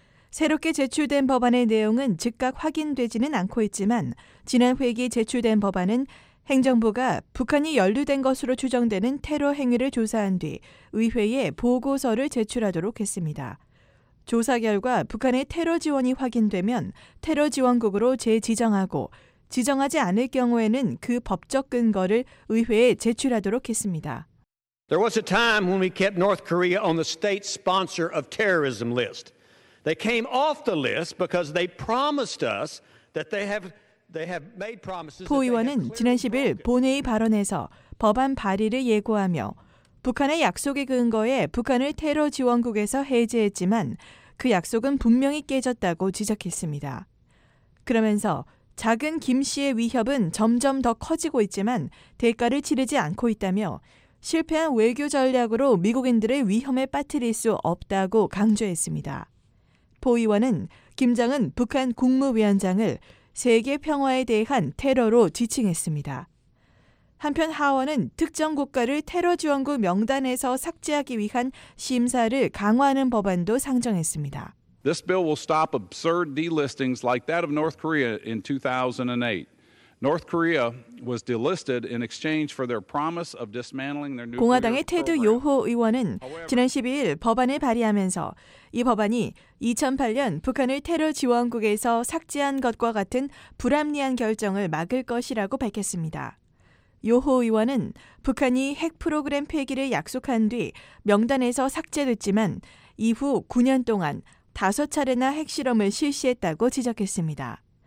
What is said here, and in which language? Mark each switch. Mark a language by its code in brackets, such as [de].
[ko] 새롭게 제출된 법안의 내용은 즉각 확인되지는 않고 있지만 지난 회기 제출된 법안은 행정부가 북한이 연루된 것으로 추정되는 테러 행위를 조사한 뒤 의회에 보고서를 제출하도록 했습니다. 조사 결과 북한의 테러 지원이 확인되면 테러 지원국으로 재지정하고 지정하지 않을 경우에는 그 법적 근거를 의회에 제출하도록 했습니다. [en] There was a time when we kept North Korea on the state sponsor of terrorism list. They came off the list because they promised us that they have made promises. [ko] 포 의원은 지난 10일 본회의 발언에서 법안 발의를 예고하며 북한의 약속에 근거해 북한을 테러 지원국에서 해제했지만 그 약속은 분명히 깨졌다고 지적했습니다. 그러면서 작은 김 씨의 위협은 점점 더 커지고 있지만 대가를 치르지 않고 있다며 실패한 외교 전략으로 미국인들을 위험에 빠뜨릴 수 없다고 강조했습니다. 포 의원은 김정은 북한 국무위원장을 세계 평화에 대한 테러로 지칭했습니다. 한편 하원은 특정 국가를 테러 지원국 명단에서 삭제하기 위한 심사를 강화하는 법안도 상정했습니다. [en] This bill will stop absurd delistings like that of North Korea in 2008. North Korea was delisted in exchange for their promise of dismantling their nuclear program. [ko] 공화당의 테드 요호 의원은 지난 12일 법안을 발의하면서 이 법안이 2008년 북한을 테러 지원국에서 삭제한 것과 같은 불합리한 결정을 막을 것이라고 밝혔습니다. 요호 의원은 북한이 핵 프로그램 폐기를 약속한 뒤 명단에서 삭제됐지만 이후 9년 동안 5차례나 핵실험을 실시했다고 지적했습니다.